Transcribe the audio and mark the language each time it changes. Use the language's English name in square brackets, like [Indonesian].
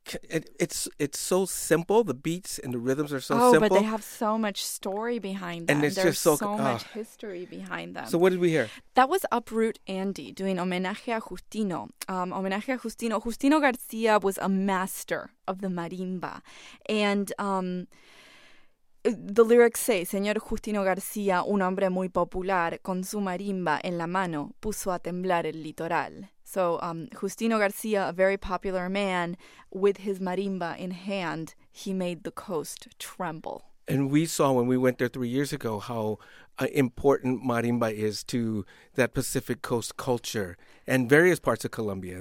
[English] It's so simple. The beats and the rhythms are so simple. Oh, but they have so much story behind them. And it's there's just so much history behind them. So what did we hear? That was Uproot Andy doing Homenaje a Justino. Homenaje a Justino. Justino Garcia was a master of the marimba. And the lyrics say, [Spanish] Señor Justino García, un hombre muy popular, con su marimba en la mano, puso a temblar el litoral. [English] So, Justino García, a very popular man, with his marimba in hand, he made the coast tremble. And we saw when we went there 3 years ago how important marimba is to that Pacific Coast culture and various parts of Colombia.